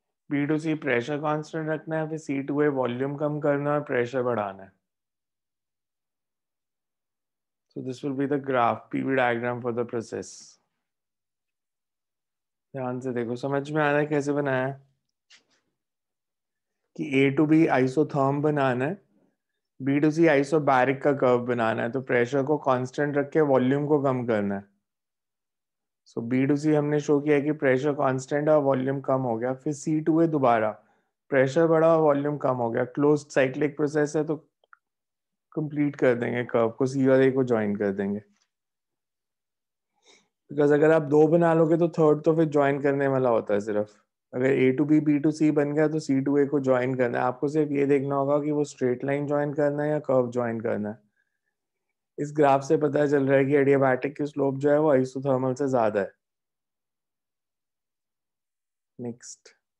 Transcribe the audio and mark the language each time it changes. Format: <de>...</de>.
<hi>P to C pressure constant रखना है, फिर C to A volume कम करना है, pressure बढ़ाना है.</hi> <en>So this will be the graph, PV diagram for the process.</en> <hi>ध्यान से देखो, समझ में आ रहा है कैसे बनाया है? कि A to B isotherm बनाना है, B to C isobaric का कर्व बनाना है, तो प्रेशर को कांस्टेंट रख के वॉल्यूम को कम करना है. सो B to C हमने शो किया कि प्रेशर कांस्टेंट है और वॉल्यूम कम हो गया. फिर C to A दोबारा प्रेशर बढ़ा और वॉल्यूम कम हो गया. क्लोज्ड साइक्लिक प्रोसेस है तो कंप्लीट कर देंगे कर्व को, C और A को ज्वाइन कर देंगे. बिकॉज अगर आप दो बना लोगे तो थर्ड तो फिर ज्वाइन करने वाला होता है सिर्फ. अगर A to B, B to C बन गया तो C to A को ज्वाइन करना है. आपको सिर्फ ये देखना होगा कि वो स्ट्रेट लाइन ज्वाइन करना है या कर्व ज्वाइन करना है. इस ग्राफ से पता चल रहा है कि एडियाबैटिक की स्लोप जो है वो आइसोथर्मल से ज्यादा है.</hi> <en>next,</en>